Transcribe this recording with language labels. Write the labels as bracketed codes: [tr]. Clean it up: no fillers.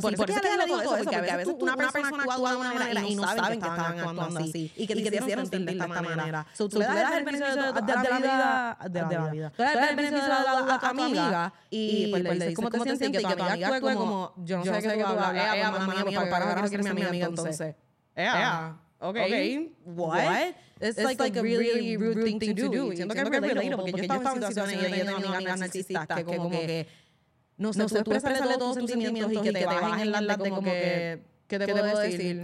[es] Por eso es que ella dijo eso, porque a veces una persona actúa de una manera y no saben que estaban actuando así, y que te hicieron sentir de esta manera. So, tú le das el beneficio de la vida, tú le das el beneficio de la duda a tu amiga, y le dices cómo te sientes, y que tu amiga actúe como, yo no sé qué tú hablas, ella, mamá mía, para ahora quiero ser mi amiga entonces. [en] Ella, okay, what? It's like a really, really rude thing to do. [es] Siento que es relatable, porque yo estaba en situaciones y yo tenía amigas narcisistas que como que, no sé, tú expresas todos tus sentimientos y que te bajen en las de como que, ¿qué te puedo decir?